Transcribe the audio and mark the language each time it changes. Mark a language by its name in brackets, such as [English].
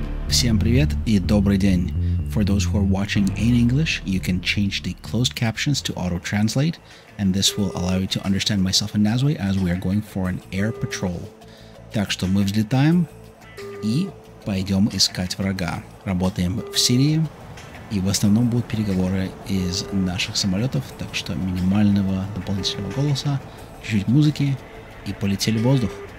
[Russian] Всем привет и добрый день. [English] For those who are watching in English, you can change the closed captions to auto-translate, and this will allow you to understand myself and Nazwe as we are going for an air patrol. [Russian] Так что мы взлетаем и пойдем искать врага. Работаем в Сирии, и в основном будут переговоры из наших самолетов, так что минимального дополнительного голоса, чуть-чуть музыки и полетели в воздух.